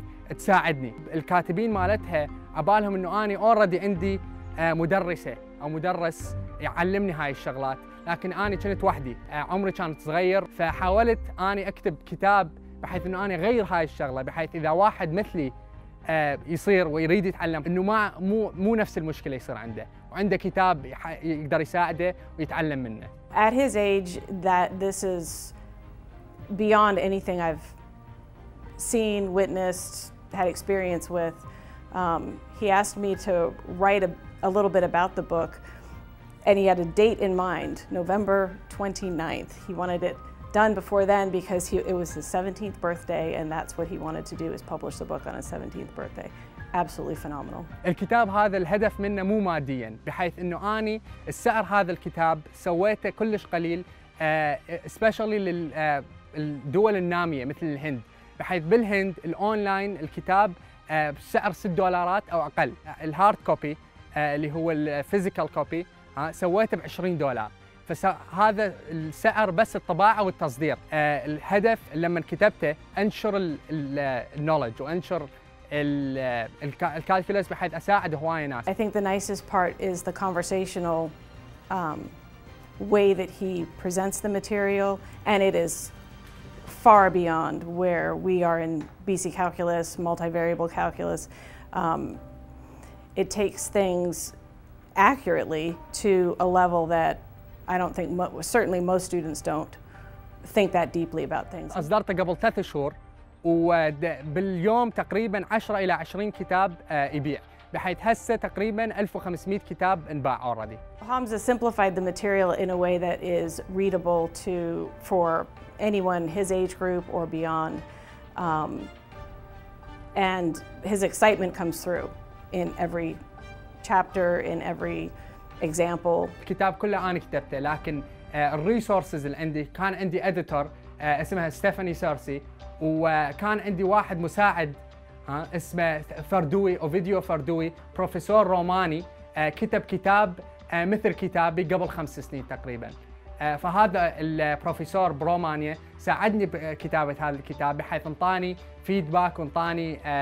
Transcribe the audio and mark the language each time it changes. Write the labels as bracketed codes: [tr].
[ar] تساعدني الكاتبين مالتها عبالهم إنه أنا [en] already [ar] عندي مدرسة أو مدرس يعلمني هاي الشغلات لكن أنا كنت وحدي عمري كانت صغير فحاولت أني أكتب كتاب بحيث إنه أنا أغير هاي الشغلة بحيث إذا واحد مثلي يصير ويريد يتعلم إنه ما مو نفس المشكلة يصير عنده وعنده كتاب يقدر يساعده ويتعلم منه. [en] At his age, that this is beyond anything I've seen, witnessed, had experience with. He asked me to write a little bit about the book. And he had a date in mind, November 29th. He wanted it done before then because it was his 17th birthday and that's what he wanted to do is publish the book on his 17th birthday. Absolutely phenomenal. [ar] الكتاب هذا الهدف منه مو ماديا بحيث انه اني السعر هذا الكتاب سويته كلش قليل [en] especially [ar] للدول النامية مثل الهند بحيث بالهند الاونلاين الكتاب بسعر $6 او اقل الهارد كوبي اللي هو الفيزيكال كوبي سويته ب $20 فهذا السعر بس الطباعه والتصدير الهدف لما كتبته انشر النولج وانشر الكالكولس بحيث اساعد هواي ناس [en] I think the nicest part is the conversational way that he presents the material and it is far beyond where we are in BC calculus multivariable calculus it takes things accurately to a level that I don't think certainly most students don't think that deeply about things. [ar] أصدرت قبل 3 شهور وباليوم تقريبا 10 الى 20 كتاب يبيع بحيث هسه تقريبا 1500 كتاب انباع [en] already. Hamza simplified the material in a way that is readable to for anyone his age group or beyond and his excitement comes through in every chapter in every example. [ar] الكتاب كله أنا كتبته لكن الريسورسز اللي عندي كان عندي اديتور اسمها ستيفاني سارسي وكان عندي واحد مساعد اسمه فردوي او فيديو فردوي بروفيسور روماني كتب كتاب مثل كتابي قبل 5 سنين تقريبا فهذا البروفيسور برومانيا ساعدني بكتابة هذا الكتاب بحيث انطاني فيدباك وانطاني